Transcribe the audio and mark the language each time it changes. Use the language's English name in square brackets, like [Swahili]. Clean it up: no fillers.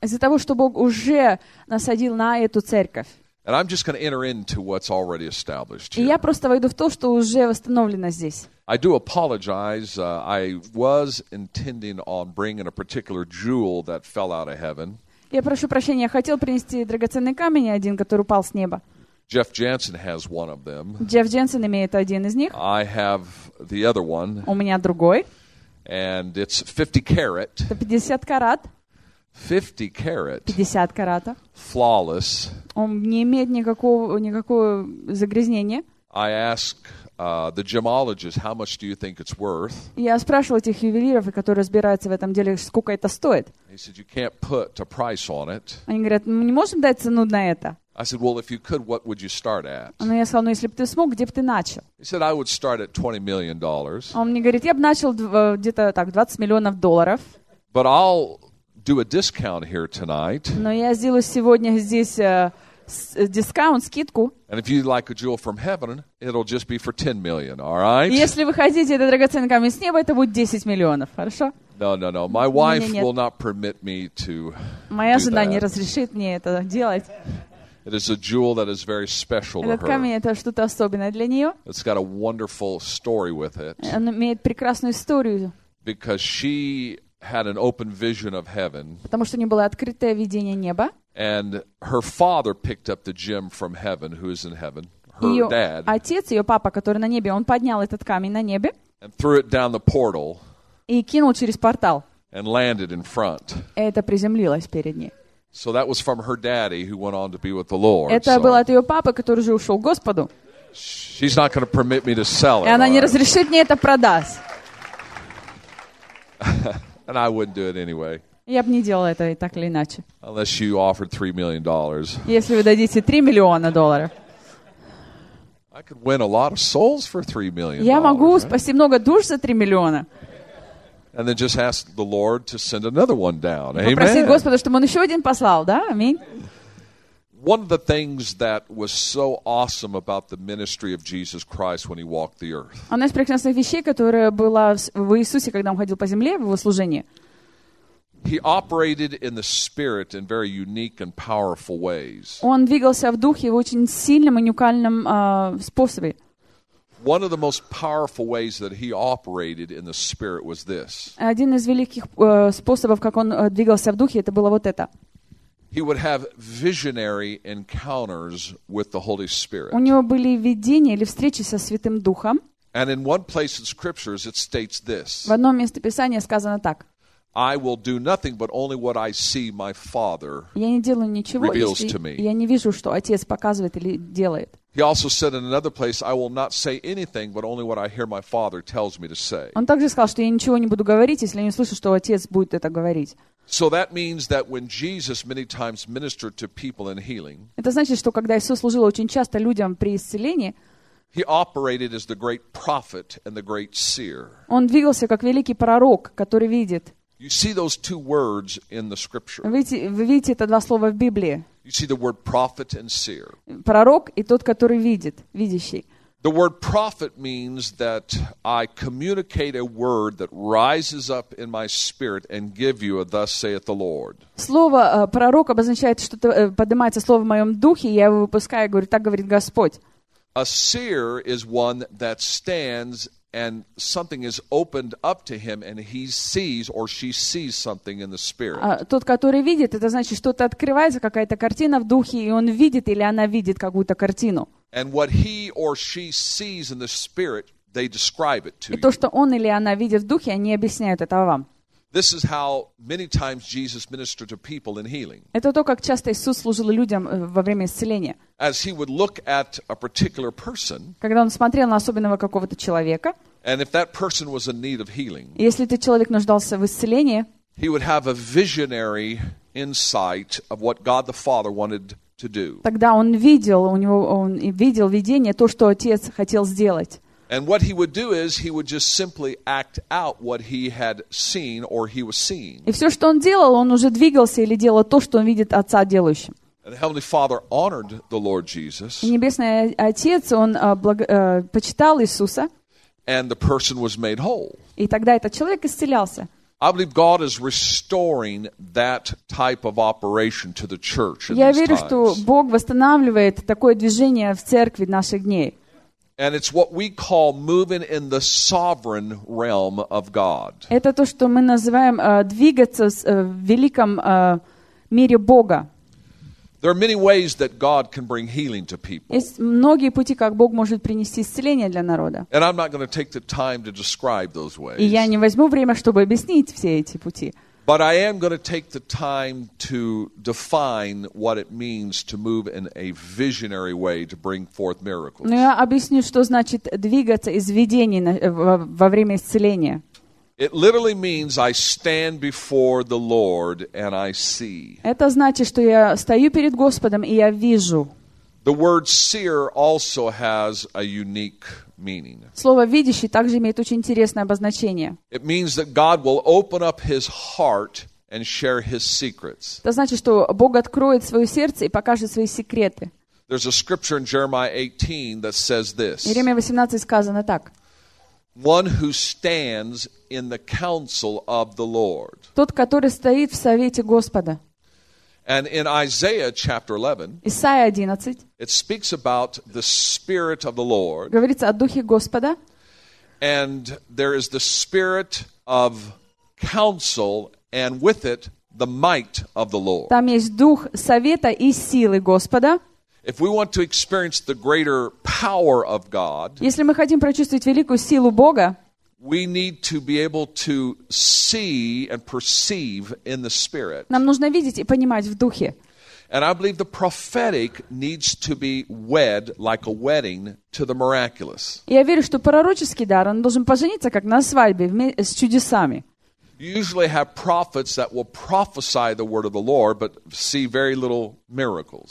[Russian] Из-за того, что Бог уже насадил на эту церковь. [English] And I'm just going to enter into what's already established here. [Russian] И я просто войду в то, что уже восстановлено здесь. [English] I do apologize. I was intending on bringing a particular jewel that fell out of heaven. [Russian] Я прошу прощения, я хотел принести драгоценный камень один, который упал с неба. [English] Jeff Jansen has one of them. [Russian] Jeff Jansen имеет один из них. [English] I have the other one. [Russian] У меня другой. [English] And it's 50 carat. [Russian] Это 50 карат. [English] 50 carat. [Russian] 50 карата. [English] Flawless. [Russian] Он не имеет никакого загрязнения. [English] I ask the gemologist, how much do you think it's worth? [Russian] Я спрашивал этих ювелиров, которые разбираются в этом деле, сколько это стоит. [English] He said, you can't put a price on it. [Russian] Они говорят, мы не можем дать цену на это. [English] I said, well, if you could, what would you start at? [Russian] Ну, я сказал, ну, если бы ты смог, где бы ты начал? [English] He said, I would start at $20 million. [Russian] Он мне говорит, я бы начал где-то так, 20 миллионов долларов. [English] But I'll do a discount here tonight. [Russian] Но я сделаю сегодня здесь дискаунт, скидку. [English] And if you'd like a jewel from heaven, it'll just be for 10 million, all right? [Russian] Если вы хотите этот драгоценный камень с неба, это будет 10 миллионов, хорошо? [English] No. My wife will not permit me to. [Russian] Моя жена не разрешит мне это делать. [English] It is a jewel that is very special to her. [Russian] Камень, это что-то особенное для нее. [English] It's got a wonderful story with it. [Russian] Она имеет прекрасную историю. [English] Because she had an open vision of heaven. [Russian] Потому что у нее было открытое видение неба. [English] And her father picked up the gem from heaven, who is in heaven, her [Russian] ее [English] dad. [Russian] Отец, ее папа, который на небе, он поднял этот камень на небе. [English] And threw it down the portal. [Russian] И кинул через портал. [English] And landed in front. [Russian] И это приземлилось перед ней. [English] So that was from her daddy who went on to be with the Lord. [Russian] Это было от ее папы, который уже ушел к Господу. [English] She's not going to permit me to sell it. [Russian] И она не разрешит мне это продать. [English] And I wouldn't do it anyway. [Russian] Я бы не делал это так или иначе. [English] Unless you offered $3 million. [Russian] Если вы дадите $3 [English] million. I could win a lot of souls for $3 million. [Russian] Я могу спасти много душ за 3 миллиона. [English] And then just ask the Lord to send another one down. Amen. [Russian] Попросить Господа, чтобы он еще один послал, да? Аминь. [English] One of the things that was so awesome about the ministry of Jesus Christ when he walked the earth. [Russian] Одна из прекрасных вещей, которая была в Иисусе, когда он ходил по земле, в его служении. [English] He operated in the Spirit in very unique and powerful ways. [Russian] Он двигался в духе в очень сильном и уникальном способе. [English] One of the most powerful ways that he operated in the spirit was this. [Russian] Один из великих способов, как он двигался в духе, это было вот это. [English] He would have visionary encounters with the Holy Spirit. [Russian] У него были видения или встречи со Святым Духом. [English] And in one place in scriptures it states this. [Russian] В одном месте Писания сказано так. [English] I will do nothing but only what I see my Father reveals to me. [Russian] Я не вижу, что Отец показывает или делает. [English] He also said in another place, I will not say anything but only what I hear my Father tells me to say. [Russian] Он также сказал, что я ничего не буду говорить, если я не слышу, что Отец будет это говорить. [English] So that means that when Jesus many times ministered to people in healing, [Russian] это значит, что когда Иисус служил очень часто людям при исцелении, [English] he operated as the great prophet and the great seer. [Russian] Он двигался как великий пророк, который видит. [English] You see those two words in the scripture. [Russian] Вы видите это два слова в Библии. [English] You see the word prophet and seer. [Russian] Пророк и тот, который видит, видящий. [English] The word prophet means that I communicate a word that rises up in my spirit and give you a thus saith the Lord. [Russian] Слово пророк обозначает, что поднимается слово в моем духе, и я его выпускаю, говорю, так говорит Господь. [English] A seer is one that stands and something is opened up to him and he sees or she sees something in the spirit. [Russian] Тот, который видит, это значит, что-то открывается, какая-то картина в духе, и он видит или она видит какую-то картину. [English] And what he or she sees in the spirit, they describe it to you. [Russian] И то, что он или она видит в духе, они объясняют это вам. [English] This is how many times Jesus ministered to people in healing. [Russian] Это то, как часто Иисус служил людям во время исцеления. [English] As he would look at a particular person. [Russian] Когда он смотрел на особенного какого-то человека. [English] And if that person was in need of healing. [Russian] Если этот человек нуждался в исцелении. [English] He would have a visionary insight of what God the Father wanted to do. [Russian] Тогда он видел, у него он видел видение то, что Отец хотел сделать. [English] And what he would do is he would just simply act out what he had seen or he was seeing. [Russian] И все, что он делал, он уже двигался или делал то, что он видит Отца делающим. [English] And Heavenly Father honored the Lord Jesus. [Russian] И Небесный Отец, он почитал Иисуса. [English] And the person was made whole. [Russian] И тогда этот человек исцелялся. [English] I believe God is restoring that type of operation to the church in these [Russian] Я верю, что Бог восстанавливает такое движение в церкви наших дней. [English] And it's what we call moving in the sovereign realm of God. [Russian] Это то, что мы называем двигаться в великом мире Бога. [English] There are many ways that God can bring healing to people. [Russian] Есть многие пути, как Бог может принести исцеление для народа. [English] And I'm not going to take the time to describe those ways. [Russian] И я не возьму время, чтобы объяснить все эти пути. [English] But I am going to take the time to define what it means to move in a visionary way to bring forth miracles. [Russian] Но я объясню, что значит двигаться из видений во время исцеления. [English] It literally means I stand before the Lord and I see. [Russian] Это значит, что я стою перед Господом и я вижу. [English] The word seer also has a unique meaning. [Russian] Слово видящий также имеет очень интересное обозначение. [English] It means that God will open up his heart and share his secrets. [Russian] Это значит, что Бог откроет свое сердце и покажет свои секреты. [English] There's a scripture in Jeremiah 18 that says this. [Russian] Иеремия 18 сказано так. [English] One who stands in the counsel of the Lord. [Russian] Тот, который стоит в совете Господа. [English] And in Isaiah chapter 11, [Russian] Исайя 11, [English] it speaks about the Spirit of the Lord. [Russian] Говорится о Духе Господа. [English] And there is the Spirit of counsel, and with it, the might of the Lord. [Russian] Там есть Дух Совета и силы Господа. [English] If we want to experience the greater power of God, [Russian] если мы хотим прочувствовать великую силу Бога, [English] we need to be able to see and perceive in the Spirit. [Russian] Нам нужно видеть и понимать в духе. [English] And I believe the prophetic needs to be wed like a wedding to the miraculous. [Russian] Я верю, что пророческий дар он должен пожениться как на свадьбе с чудесами. [English] Usually have prophets that will prophesy the word of the Lord, but see very little miracles.